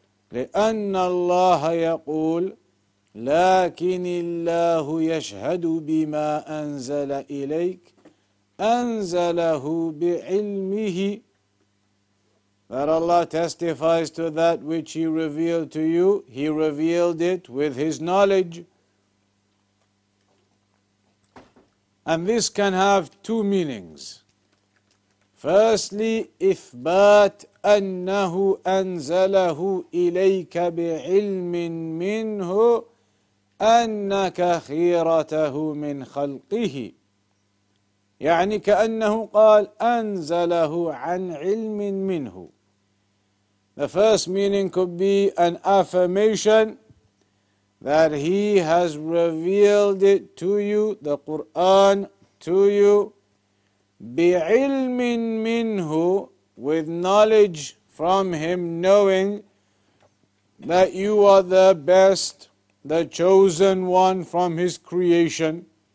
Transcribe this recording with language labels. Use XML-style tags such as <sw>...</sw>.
<ar>لِأَنَّ اللَّهَ يَقُولُ لكن الله يشهد بما أنزل إليك أنزله بعلمه.</ar> <en>That Allah testifies to that which He revealed to you, He revealed it with His knowledge. And this can have two meanings. Firstly,</en> <ar>إثبات أنه أنزله إليك بعلم منه أنك خيرته من خلقه. يعني كأنه قال أنزله عن علم منه.</ar> <en>The first meaning could be an affirmation that he has revealed it to you, the Quran to you,</en> <ar>بعلم منه,</ar> <en>with knowledge from him, knowing that you are the best, the chosen one from His creation.</en>